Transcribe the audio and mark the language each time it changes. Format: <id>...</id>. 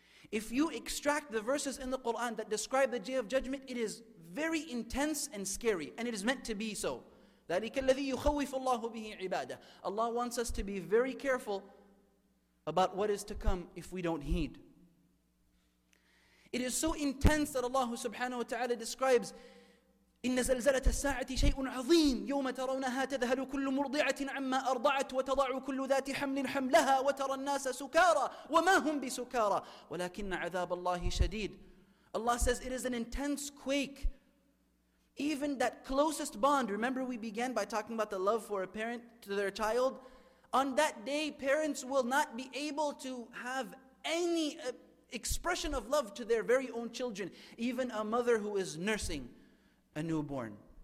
<en>If you extract the verses in the Quran that describe the Day of Judgment, it is very intense and scary, and it is meant to be so.</en> <ar>ذَلِكَ الَّذِي يُخَوِّفُ اللَّهُ بِهِ عِبَادَهُ</ar> <en>Allah wants us to be very careful about what is to come if we don't heed. It is so intense that Allah subhanahu wa ta'ala describes,</en> <ar>إِنَّ زَلْزَلَةَ السَّاعَةِ شَيْءٌ عَظِيمٌ يَوْمَ تَرَوْنَهَا تَذْهَلُ كُلُّ مُرْضِعَةٍ عَمَّا أَرْضَعَتْ وَتَضَعُ كُلُّ ذَاتِ حَمْلٍ حَمْلَهَا وَتَرَى النَّاسَ سُكَارَى وَمَا هُمْ بِسُكَارَى وَلَكِنَّ عَذَابَ اللَّهِ شَدِيدٌ</ar> <en>Allah says it is an intense quake. Even that closest bond, remember we began by talking about the love for a parent to their child? On that day, parents will not be able to have any expression of love to their very own children, even a mother who is nursing a newborn.</en>